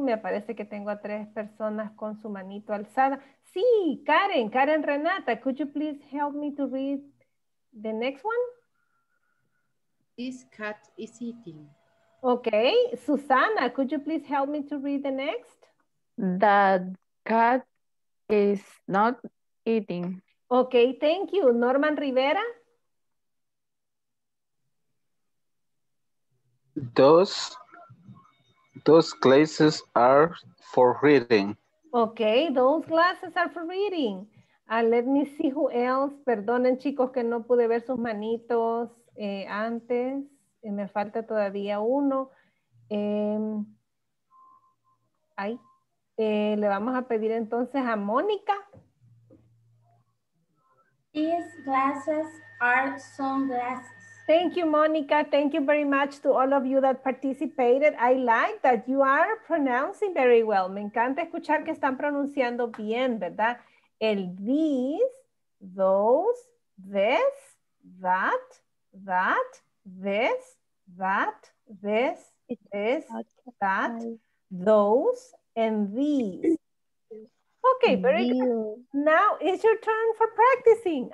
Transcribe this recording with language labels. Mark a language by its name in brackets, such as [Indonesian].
[Spanish] Me parece que tengo a tres personas con su manito alzada. [English] Sí, Karen, Karen Renata, could you please help me to read the next one? This cat is eating. Okay, Susana, could you please help me to read the next? That cat is not eating. Okay, thank you. Norman Rivera. Those glasses are for reading. Okay, those glasses are for reading. Let me see who else. [Spanish] Perdonen, chicos, que no pude ver sus manitos antes. Me falta todavía uno. Le vamos a pedir entonces a Mónica. [English] These glasses are sunglasses. Thank you, Monica. Thank you very much to all of you that participated. I like that you are pronouncing very well. [Spanish] Me encanta escuchar que están pronunciando bien, ¿verdad? [English] El these, those, this, that, those, and these. Okay, very good. Now it's your turn for practicing.